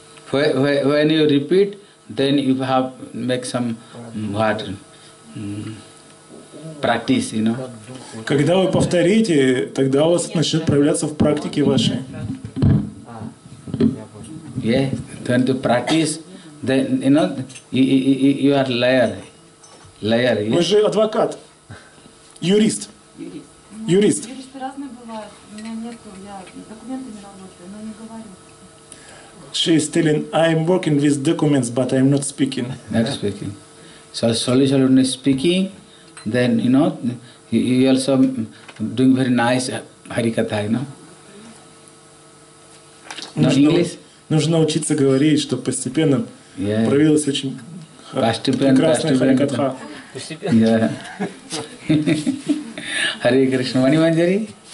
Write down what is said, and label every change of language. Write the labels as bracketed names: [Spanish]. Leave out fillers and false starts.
[English] When you repeat, then you have make some what practice, you know. [Russian] Когда вы повторите, тогда у вас начнет проявляться в практике вашей. [English] Yeah, then to practice, then you know you are liar. [Russian] Вы же адвокат, юрист. Юрист. Юристы разные бывают. У меня нету, я документами работаю, но не говорю. [English] She is telling, I am working with documents, but I am not speaking. Not speaking. So, slowly, slowly speaking, then, you know, you also doing very nice harikatha, you know? Not English? [Russian] Нужно учиться говорить, чтобы постепенно проявилась очень прекрасная харикатха. [English] Yeah. Hare Krishna. Mani Manjari?